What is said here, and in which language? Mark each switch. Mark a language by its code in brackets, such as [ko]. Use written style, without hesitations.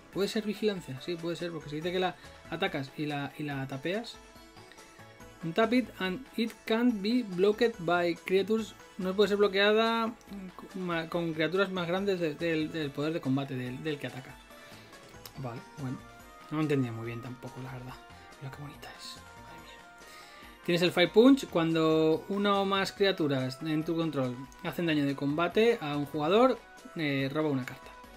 [es] Puede ser vigilancia, sí, puede ser, porque se dice que la atacas y la tapeas. [en] Un tap it and it can't be blocked by creatures. [es] No puede ser bloqueada con criaturas más grandes del poder de combate del que ataca. Vale, bueno. No lo entendía muy bien tampoco, la verdad. Mira qué bonita es. Madre mía. Tienes el Fire Punch. Cuando una o más criaturas en tu control hacen daño de combate a un jugador, roba una carta.